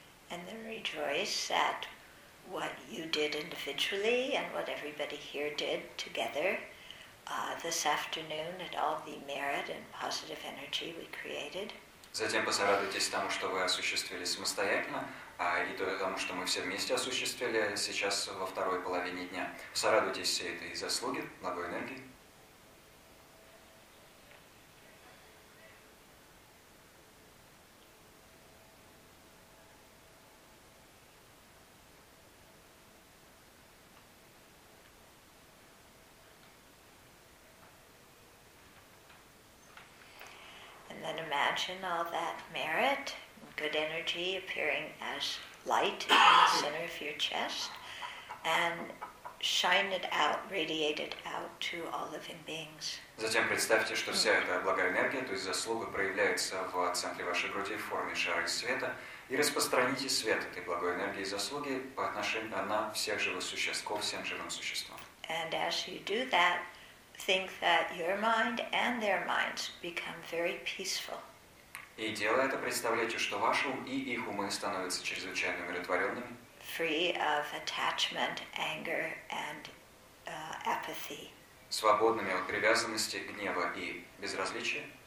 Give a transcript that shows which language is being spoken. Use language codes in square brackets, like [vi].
[en] And then rejoice at what you did individually and what everybody here did together this afternoon at all the merit and positive energy we created. [ru] Затем посорадуйтесь тому, что вы осуществили самостоятельно, и тому, что мы все вместе осуществили сейчас во второй половине дня. Посорадуйтесь всей этой заслуги, благой энергии. [en] Imagine all that merit, good energy appearing as light in the center of your chest, and shine it out, radiate it out to all living beings. [ru] Затем представьте, что вся эта благая энергия, то есть заслуга, проявляется в центре вашей груди в форме шара из света, и распространите свет этой благой энергии и заслуги по отношению на всех живых существ, ко всем живым существам. [en] And as you do that, think that your mind and their minds become very peaceful. [ru] И делая это, представляйте, что ваш ум и их умы становятся чрезвычайно умиротворенными. [en] Free of attachment, anger, and apathy. [ru] Свободными от привязанности, гнева и безразличия.